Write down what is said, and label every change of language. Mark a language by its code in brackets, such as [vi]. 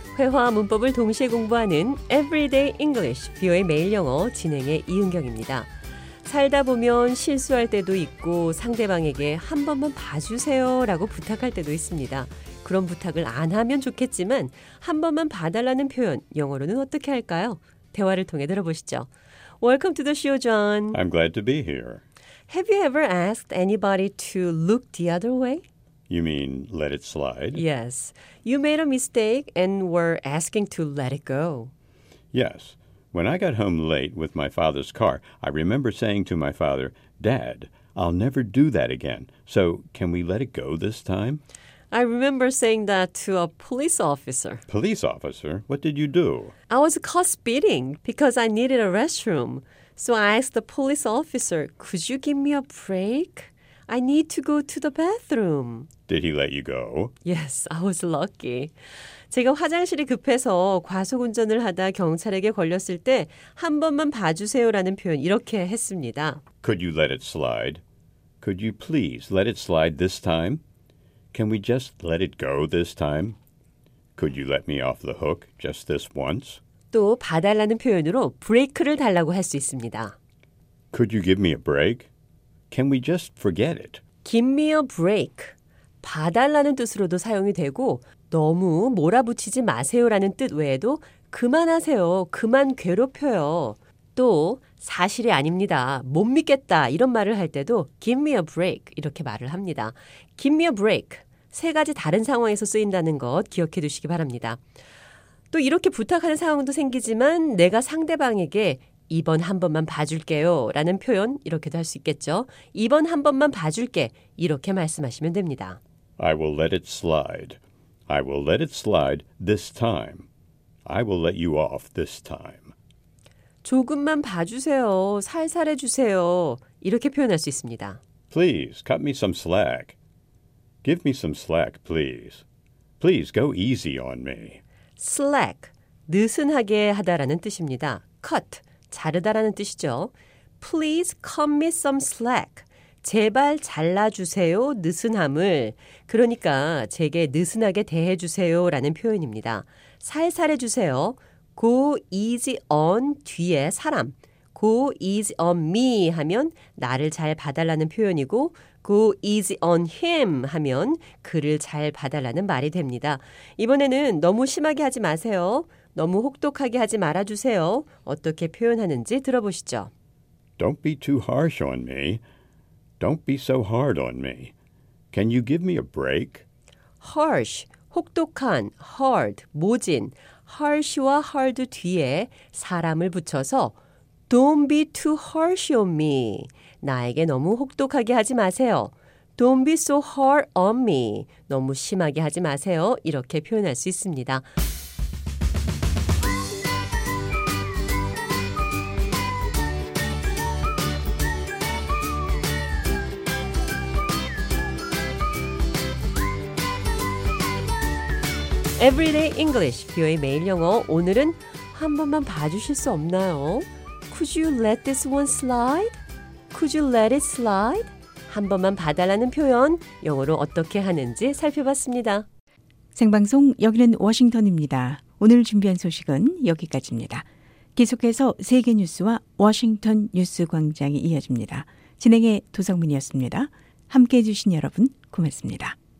[ko] 회화 문법을 동시에 공부하는 Everyday English, VOA 매일 영어 진행의 이은경입니다. 살다 보면 실수할 때도 있고 상대방에게 한 번만 봐주세요라고 부탁할 때도 있습니다. 그런 부탁을 안 하면 좋겠지만 한 번만 봐달라는 표현 영어로는 어떻게 할까요? 대화를 통해 들어보시죠. [en] Welcome to the show, John. I'm glad to be here. Have you ever asked anybody to look the other way? You mean let it slide? Yes. You made a mistake and were asking to let it go. Yes. When I got home late with my father's car, I remember saying to my father, Dad, I'll never do that again. So can we let it go this time? I remember saying that to a police officer. Police officer? What did you do? I was caught speeding because I needed a restroom. So I asked the police officer, could you give me a break? I need to go to the bathroom. Did he let you go? Yes, I was lucky. [ko] 제가 화장실이 급해서 과속운전을 하다 경찰에게 걸렸을 때 한 번만 봐주세요라는 표현 이렇게 했습니다. [en] Could you let it slide? Could you please let it slide this time? Can we just let it go this time? Could you let me off the hook just this once? [ko] 또 봐달라는 표현으로 브레이크를 달라고 할 수 있습니다. [en] Could you give me a break? Can we just forget it? Give me a break. [ko] 봐달라는 뜻으로도 사용이 되고 너무 몰아붙이지 마세요라는 뜻 외에도 그만하세요, 그만 괴롭혀요. 또 사실이 아닙니다, 못 믿겠다 이런 말을 할 때도 [en] Give me a break [ko] 이렇게 말을 합니다. [en] Give me a break. [ko] 세 가지 다른 상황에서 쓰인다는 것 기억해 두시기 바랍니다. 또 이렇게 부탁하는 상황도 생기지만 내가 상대방에게 이번 한 번만 봐줄게요 라는 표현 이렇게도 할 수 있겠죠. 이번 한 번만 봐줄게 이렇게 말씀하시면 됩니다. [en] I will let it slide. I will let it slide this time. I will let you off this time. [ko] 조금만 봐주세요. 살살 해주세요. 이렇게 표현할 수 있습니다. [en] Please cut me some slack. Give me some slack, please. Please go easy on me. [ko] Slack, 느슨하게 하다라는 뜻입니다. Cut, 자르다라는 뜻이죠. [en] Please cut me some slack. [ko] 제발 잘라주세요, 느슨함을. 그러니까 제게 느슨하게 대해주세요 라는 표현입니다. 살살해주세요. [en] Go easy on [ko] 뒤에 사람. [en] Go easy on me [ko] 하면 나를 잘 봐달라는 표현이고 [en] Go easy on him [ko] 하면 그를 잘 봐달라는 말이 됩니다. 이번에는 너무 심하게 하지 마세요. 너무 혹독하게 하지 말아주세요. 어떻게 표현하는지 들어보시죠. [en] Don't be too harsh on me. Don't be so hard on me. Can you give me a break? harsh, 혹독한, hard, 모진, harsh와 hard [ko] 뒤에 사람을 붙여서 [en] Don't be too harsh on me. [ko] 나에게 너무 혹독하게 하지 마세요. [en] Don't be so hard on me. [ko] 너무 심하게 하지 마세요. 이렇게 표현할 수 있습니다. 에브리데이 잉글리시 뷰의 매일 영어 오늘은 한 번만 봐주실 수 없나요? [en] Could you let this one slide? Could you let it slide? [ko] 한 번만 봐달라는 표현 영어로 어떻게 하는지 살펴봤습니다. 생방송 여기는 워싱턴입니다. 오늘 준비한 소식은 여기까지입니다. 계속해서 세계 뉴스와 워싱턴 뉴스 광장이 이어집니다. 진행의 도성민이었습니다. 함께해 주신 여러분 고맙습니다.